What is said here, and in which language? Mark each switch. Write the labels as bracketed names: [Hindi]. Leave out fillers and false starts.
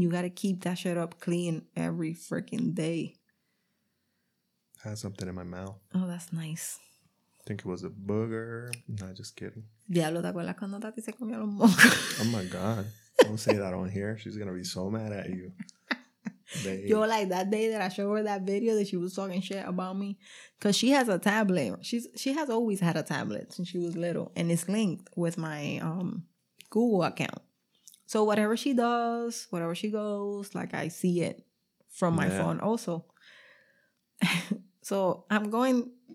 [English] You got to keep that shit up clean every freaking day. I had something in my mouth. Oh, that's nice. I think it was a booger. No, just kidding. [Spanish] Diablo, ¿te acuerdas cuando Tati se comió los mocos? [English] Oh, my God. Don't say that on here. She's going to be so mad at you. Yo, like, that day that I showed her that video that she was talking shit about me. Because she has a tablet. She has always had a tablet since she was little. And it's linked with my Google account. So whatever she does, whatever she goes, like, I see it from my phone also. So I'm going